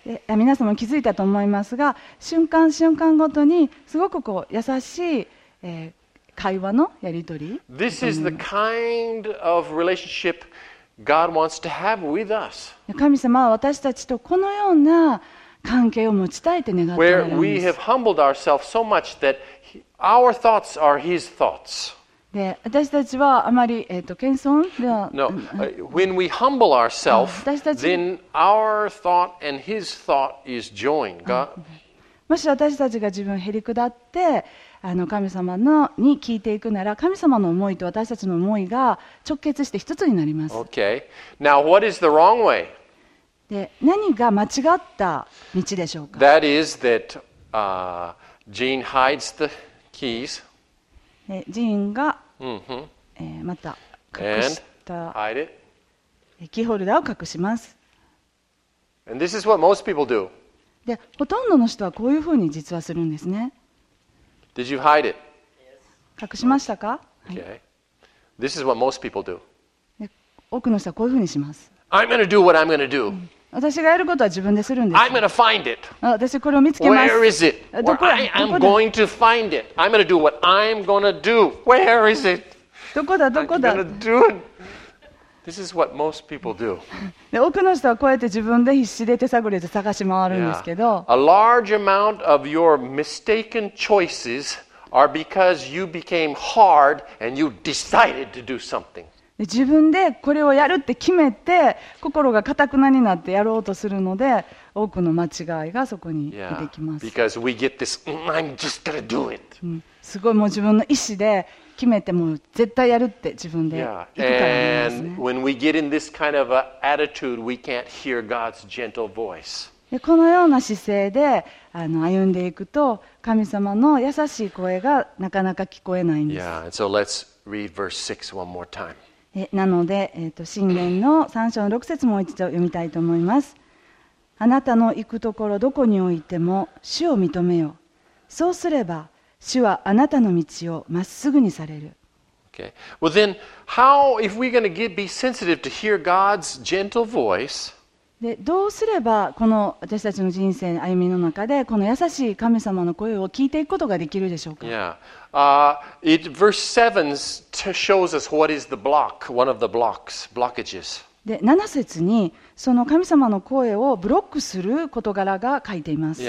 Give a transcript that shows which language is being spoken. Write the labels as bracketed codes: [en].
[ja] 皆さんも気づいたと思いますが、瞬間瞬間ごとにすごくこう優しい。会話のやり取り。 [en] This is the kind of relationship God wants to have with us. [ja] 神様は私たちとこのような関係を持ちたいと願っております [en] Where we have humbled ourselves so much that our thoughts are His thoughts. [ja] で、私たちはあまり謙遜では。 [en] No, when we humble ourselves, then our thought and His thought is joined. God. [ja] もし私たちが自分をへり下って。神様のに聞いていくなら、神様の思いと私たちの思いが直結して一つになります。 [en] Okay. Now, what is the wrong way? [ja] で、何が間違った道でしょうか? [en] That is that, Jean hides the keys. [ja] で、ジーンが、 [en] mm-hmm. [ja] また隠したキーホルダーを隠します。 [en] And this is what most people do. [ja] で、ほとんどの人はこういうふうに実はするんですね。 [en] Did you hide it? [ja] 隠しましたか? [en] Okay. This is what most people do. [ja] 多くの人はこういうふうにします。 [en] I'm going to do what I'm going to do. [ja] 私がやることは自分でするんです。 [en] I'm gonna find it. [ja] 私これを見つけます。 [en] Where is it? Where I'm going to find it. I'm gonna do what I'm gonna do. Where is it? [ja] どこだどこだ。 [en] I'm gonna do it. This is what most people do. [ja] 多くの人はこうやって自分で必死で手探りで探し回るんですけど。 [en] Yeah. A large amount of your mistaken choices are because you became hard and you decided to do something. [ja] 自分でこれをやるって決めて心が固くなになってやろうとするので多くの間違いがそこに出てきます。 [en] Yeah, because we get this, I'm just gonna do it. [ja] すごいもう自分の意思で決めてもう絶対やるって自分で行くからなんですね。 [en] Yeah, and when we get in this kind of attitude, we can't hear God's gentle voice. [ja] このような姿勢で歩んでいくと神様の優しい声がなかなか聞こえないんです。 [en] Yeah, and so let's read verse 6 one more time. [ja] なので、箴言の3章6節もう一度読みたいと思います。あなたの行くところどこにおいても主を認めよ、そうすれば主はあなたの道をまっすぐにされる。 [en] Okay. Well then, how, if we're going to get, be sensitive to hear God's gentle voice, [ja] でどうすればこの私たちの人生歩みの中でこの優しい神様の声を聞いていくことができるでしょうか。 [en] Yeah. Verse 7 shows us what is the block, one of the blocks, blockages. [ja] で、7節にその神様の声をブロックする事柄が書いています。